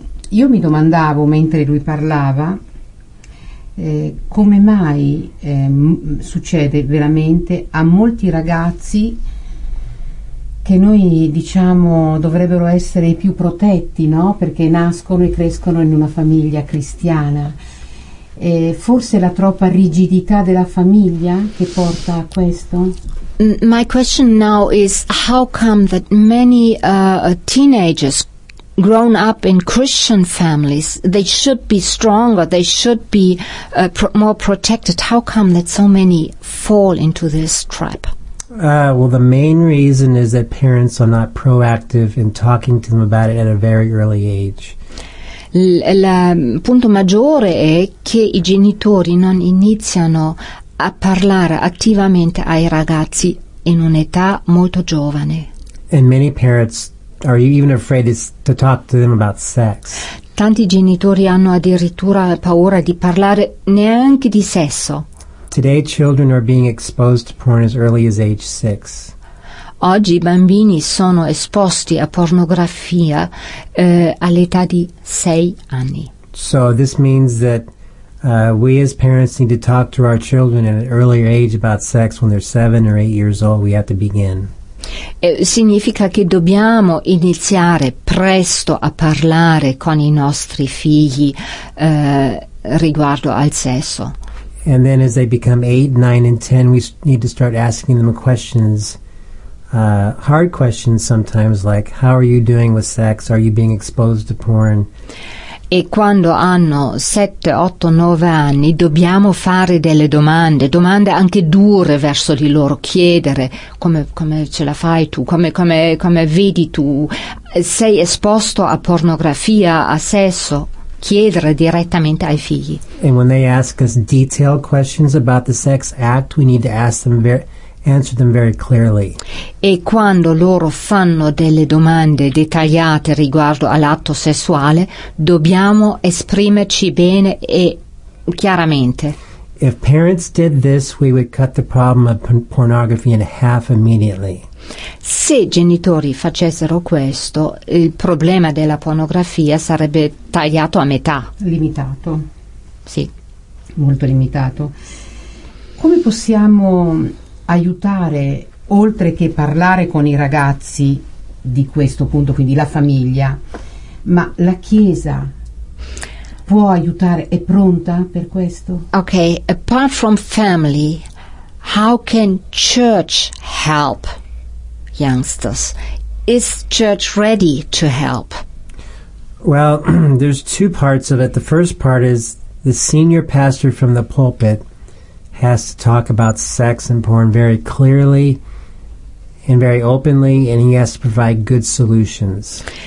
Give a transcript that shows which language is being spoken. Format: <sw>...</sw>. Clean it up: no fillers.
<it>Io mi domandavo, mentre lui parlava, come mai succede veramente a molti ragazzi che noi diciamo dovrebbero essere i più protetti, no? Perché nascono e crescono in una famiglia cristiana. Forse la troppa rigidità della famiglia che porta a questo?</it> <en>My question now is how come that many teenagers grown up in Christian families, they should be stronger, they should be more protected. How come that so many fall into this trap? Well, the main reason is that parents are not proactive in talking to them about it at a very early age.</en> <it>Il punto maggiore è che i genitori non iniziano a parlare attivamente ai ragazzi in un'età molto giovane.</it> <en>And many parents are even afraid to talk to them about sex.</en> <it>Tanti genitori hanno addirittura paura di parlare neanche di sesso.</it> <en>Today children are being exposed to porn as early as age 6.</en> <it>Oggi i bambini sono esposti a pornografia all'età di 6 anni.</it> <en>So this means that we as parents need to talk to our children at an earlier age about sex when they're 7 or 8 years old. We have to begin.</en> <it>Significa che dobbiamo iniziare presto a parlare con i nostri figli riguardo al sesso.</it> <en>And then as they become 8, 9, and 10, we need to start asking them questions, hard questions sometimes, like, how are you doing with sex? Are you being exposed to porn?</en> <it>E quando hanno 7, 8, 9 anni, dobbiamo fare delle domande, domande anche dure verso di loro, chiedere come ce la fai tu, come vedi tu, sei esposto a pornografia, a sesso? Chiedere direttamente ai figli.</it> <en>And when they ask us detailed questions about the sex act, we need to ask them answer them very clearly.</en> <it>E quando loro fanno delle domande dettagliate riguardo all'atto sessuale, dobbiamo esprimerci bene e chiaramente. If parents did this, we would cut the problem of pornography in half immediately. Se i genitori facessero questo, il problema della pornografia sarebbe tagliato a metà. Limitato. Sì. Molto limitato. Come possiamo aiutare, oltre che parlare con i ragazzi di questo punto, quindi la famiglia, ma la Chiesa può aiutare, è pronta per questo?</it> <en>Okay, apart from family, how can church help youngsters? Is church ready to help? Well, there's two parts of it. The first part is the senior pastor from the pulpit has to talk about sex and porn very clearly and very openly, and he has to provide good solutions.</en>